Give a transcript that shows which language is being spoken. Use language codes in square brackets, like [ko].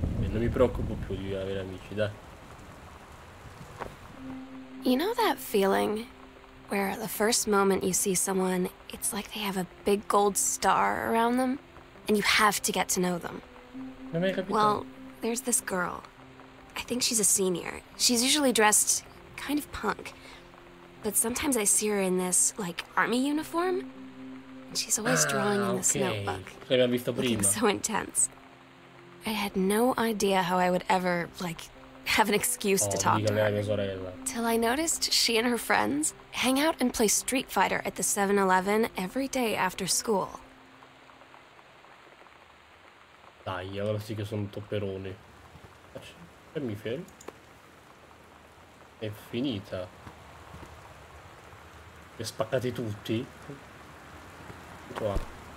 [it] Non mi preoccupo più di avere amici, dai. [en] You know that feeling where the first moment you see someone, it's like they have a big gold star around them and you have to get to know them. Well, there's this girl. I think she's a senior. She's usually dressed kind of punk. But sometimes I see her in this like army uniform. And she's always drawing in this notebook. [it] L'abbiamo visto prima. [en] So intense. I had no idea how I would ever like have an excuse to talk to her. Till I noticed she and her friends hang out and play Street Fighter at the 7-Eleven every day after school. [it] Dai, allora sì che sono topperoni. E mi fermo. È finita. Li ho spaccati tutti. Qua.